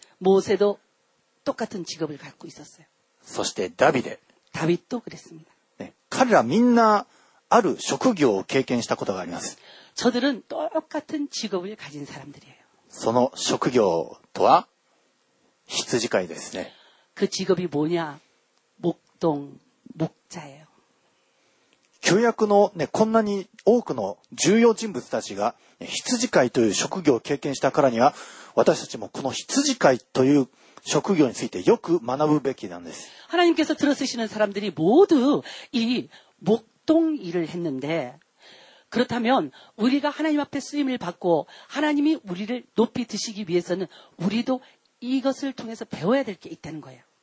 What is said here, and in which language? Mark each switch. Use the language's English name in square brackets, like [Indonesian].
[Korean] モーセ도똑같은직업을갖고있었어요 [Japanese] そしてダビデ [Korean] 다윗도그랬습니다、 [Japanese] 네、彼らみんなある職業を経験したことがあります [Korean] 저들은똑같은직업을가진사람들이에요 [Japanese] その職業とは羊飼いですね [Korean] 그직업이뭐냐목동목자예요 [Japanese] 旧約の、ね、こんなに多くの重要人物たちが羊飼いという職業を経験したからには私たちもこの羊飼いという職業についてよく学ぶべきなんです [Korean] 하나님께서들어쓰시는사람들이모두이목동일을했는데그렇다면우리가하나님앞에쓰임을받고하나님이우리를높이드시기위해서는우리도이것을통해서배워야될게있다는거예요